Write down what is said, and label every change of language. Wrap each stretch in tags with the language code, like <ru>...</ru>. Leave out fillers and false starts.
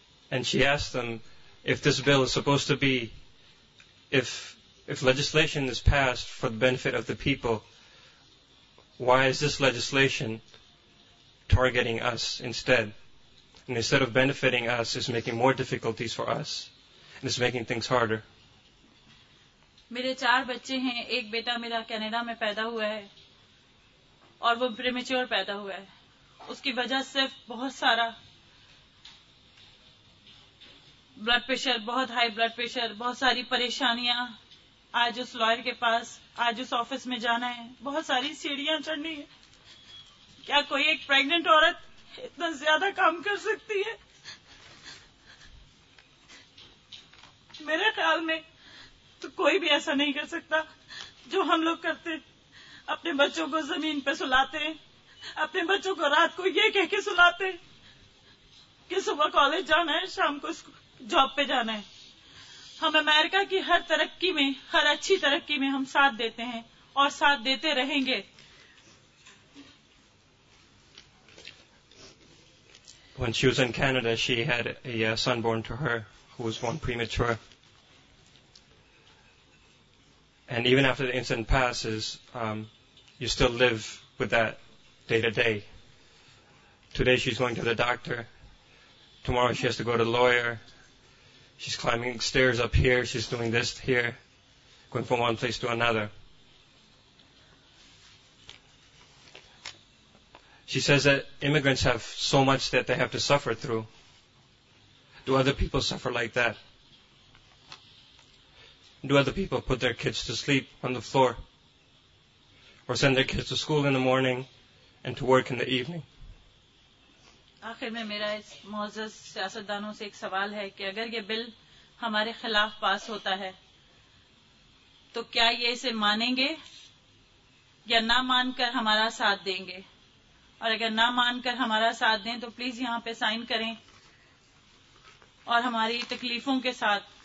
<en>And she asked them, if this bill is supposed to be, if legislation is passed for the benefit of the people, why is this legislation targeting us instead? And instead of benefiting us, it's making more difficulties for us, and it's making things harder.</en> <ur>میرے چار بچے ہیں, ایک بیٹا میرا Canada میں پیدا ہوا ہے اور وہ پریمیچور پیدا ہوا ہے, اس کی وجہ صرف بہت سارا بلڈ پریشر, بہت ہائی بلڈ پریشر, بہت ساری پریشانیاں, آج اس لائر کے پاس, آج اس آفس میں جانا ہے, بہت ساری سیڑھیاں چڑھنی ہیں. کیا کوئی ایک پریگننٹ عورت اتنا زیادہ کام کر سکتی ہے؟ میرے خیال میں تو کوئی بھی ایسا نہیں کر سکتا جو ہم لوگ کرتے, اپنے بچوں کو زمین پہ سلاتے, اپنے بچوں کو رات کو یہ کہہ کے سلاتے کہ صبح کالج جانا ہے, شام کو جاب پہ جانا ہے. ہم امریکہ کی ہر ترقی میں, ہر اچھی ترقی میں ہم ساتھ دیتے ہیں اور ساتھ دیتے رہیں گے.</ur> <en>When she was in Canada, she had a son born to her who was born premature. And even after the incident passes, you still live with that day to day. Today she's going to the doctor. Tomorrow she has to go to the lawyer. She's climbing stairs up here. She's doing this here, going from one place to another. She says that immigrants have so much that they have to suffer through. Do other people suffer like that? Do other people put their kids to sleep on the floor or send their kids to school in the morning and to work in the evening?</en> <ur>آخر میں میرا اس معزز سیاستدانوں سے ایک سوال ہے کہ اگر یہ بل ہمارے خلاف پاس ہوتا ہے تو کیا یہ اسے مانیں گے یا نہ مان کر ہمارا ساتھ دیں گے, اور اگر نہ مان کر ہمارا ساتھ دیں تو پلیز یہاں پہ سائن کریں اور ہماری تکلیفوں کے ساتھ</ur>